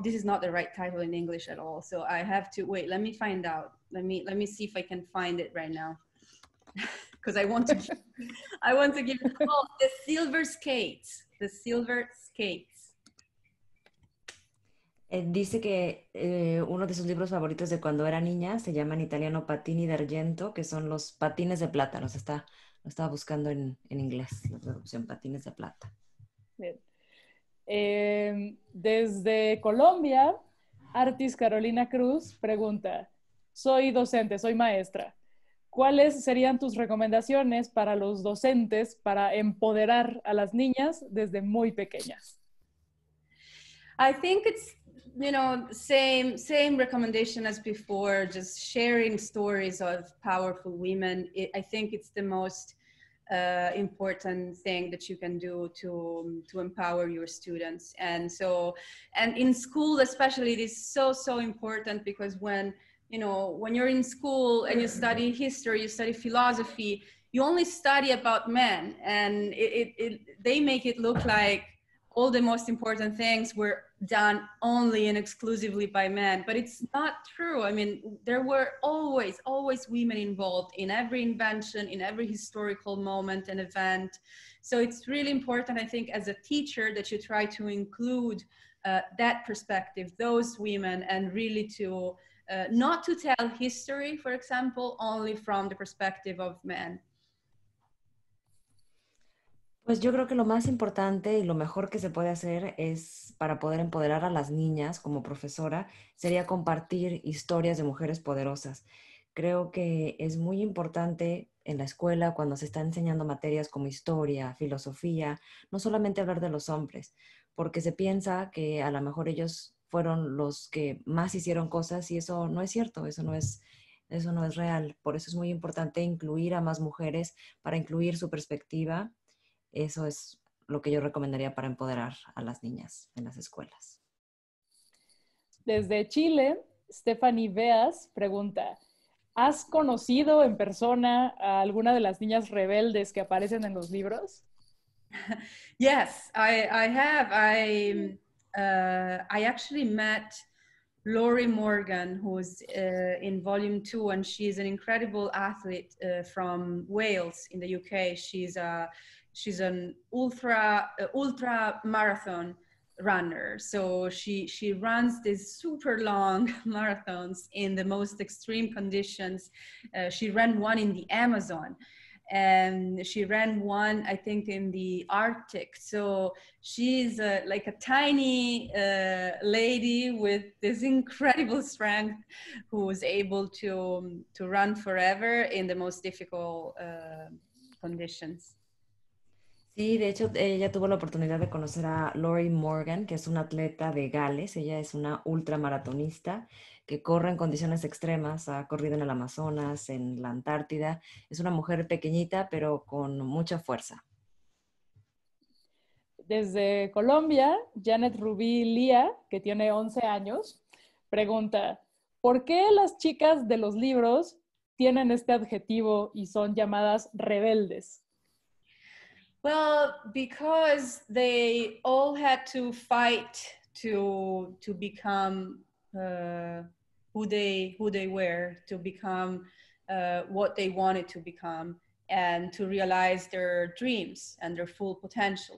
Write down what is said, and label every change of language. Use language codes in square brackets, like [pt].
[en] This is not the right title in English at all. So I have to wait. Let me find out. Let me see if I can find it right now. Because I want to give the silver skates. The silver skates. [es] Dice que uno de sus libros favoritos de cuando era niña se llama en italiano Patini d'Argento, que son los patines de plata. Lo estaba buscando en inglés, la traducción, patines de plata. Bien. Desde Colombia, Artis Carolina Cruz pregunta, soy docente, soy maestra. ¿Cuáles serían tus recomendaciones para los docentes para empoderar a las niñas desde muy pequeñas? [en] I think it's, you know, same recommendation as before, just sharing stories of powerful women. I think it's the most important thing that you can do to empower your students. And so, and in school especially, it is so important because when, you know, when you're in school and you study history, you study philosophy, you only study about men, and they make it look like all the most important things were done only and exclusively by men. But it's not true. I mean, there were always, always women involved in every invention, in every historical moment and event. So it's really important, I think, as a teacher, that you try to include that perspective, those women, and really to not to tell history, for example, only from the perspective of men. [es] Pues yo creo que lo más importante y lo mejor que se puede hacer es para poder empoderar a las niñas como profesora, sería compartir historias de mujeres poderosas. Creo que es muy importante en la escuela cuando se está enseñando materias como historia, filosofía, no solamente hablar de los hombres, porque se piensa que a lo mejor ellos fueron los que más hicieron cosas y eso no es cierto, eso no es real. Por eso es muy importante incluir a más mujeres para incluir su perspectiva. Eso es lo que yo recomendaría para empoderar a las niñas en las escuelas. Desde Chile, Stephanie Beas pregunta, ¿has conocido en persona a alguna de las niñas rebeldes que aparecen en los libros? [en] Yes, I have. I actually met Lori Morgan, who's in volume 2, and she's an incredible athlete from Wales in the UK. She's an ultra marathon runner. So she runs these super long marathons in the most extreme conditions. She ran one in the Amazon, and she ran one, I think, in the Arctic. So she's like a tiny lady with this incredible strength who was able to run forever in the most difficult conditions. [es] Sí, de hecho, ella tuvo la oportunidad de conocer a Lori Morgan, que es una atleta de Gales. Ella es una ultramaratonista que corre en condiciones extremas, ha corrido en el Amazonas, en la Antártida. Es una mujer pequeñita, pero con mucha fuerza. Desde Colombia, Janet Rubí Lía, que tiene 11 años, pregunta, ¿por qué las chicas de los libros tienen este adjetivo y son llamadas rebeldes? [en] Well, because they all had to fight to become who they were, to become what they wanted to become, and to realize their dreams and their full potential.